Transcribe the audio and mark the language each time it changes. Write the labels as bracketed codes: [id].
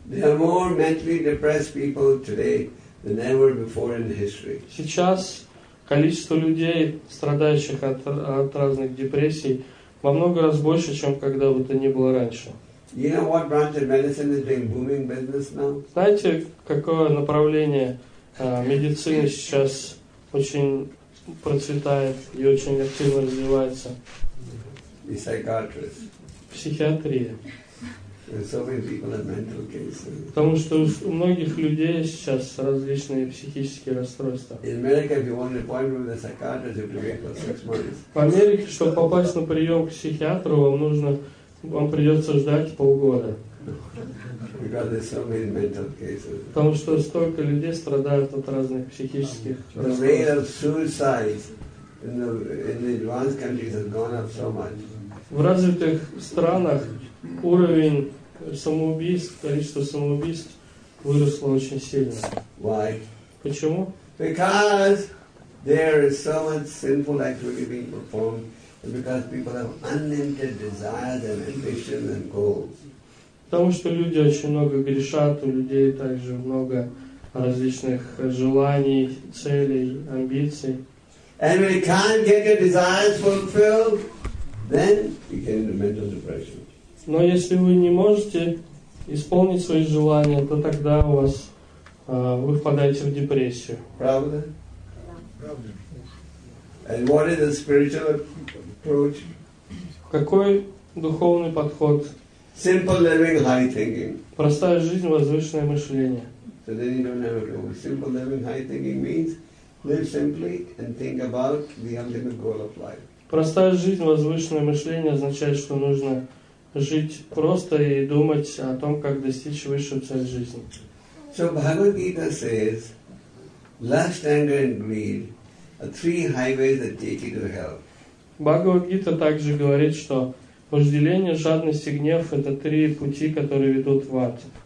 [en] There are more mentally depressed people today than ever before in history. [ru] Сейчас количество людей, страдающих от разных депрессий, во много раз больше, чем когда бы то ни было раньше. [en] You know what branch of medicine is doing booming business now? [ru] Знаете, какое направление медицины сейчас очень процветает и очень активно развивается? [en] The psychiatrist. [ru] Психиатрия. [en] There's so many people have mental cases. [ru] Потому что у многих людей сейчас различные психические расстройства. [en] In America, if you want an appointment with a psychiatrist, you have to wait for 6 months. [ru] В Америке, чтобы попасть на прием к психиатру, вам придется ждать полгода. [en] Because there's so many mental cases. [ru] Потому что столько людей страдают от разных психических расстройств. [en] The rate of suicide in the advanced countries has gone up so much. [ru] В развитых странах уровень самоубийств, количество самоубийств выросло очень сильно. [en] Why? [ru] Почему? [en] Because there is so much sinful activity being performed, and because people have unlimited desires and ambitions and goals. [ru] Потому что люди очень много грешат, у людей также много различных желаний, целей, амбиций. [en] And if you can't get your desires fulfilled, then you get into mental depression. [ru] Но если вы не можете исполнить свои желания, то тогда у вас вы впадаете в депрессию. Правда? Да. Правда. [en] And what is the spiritual approach? [ru] Какой духовный подход? [en] Simple living, high thinking. [ru] Простая жизнь, возвышенное мышление. [en] So then you don't have a goal. Simple living, high thinking means live simply and think about the ultimate goal of life. [ru] Простая жизнь, возвышенное мышление означает, что нужно жить просто и думать о том, как достичь высшую цель жизни. [en] So Bhagavad Gita says, lust, anger, and greed are three highways that take you to hell. [ru] Бхагавад-гита также говорит, что Вожделение, жадность и гнев – это три пути, которые ведут в ад.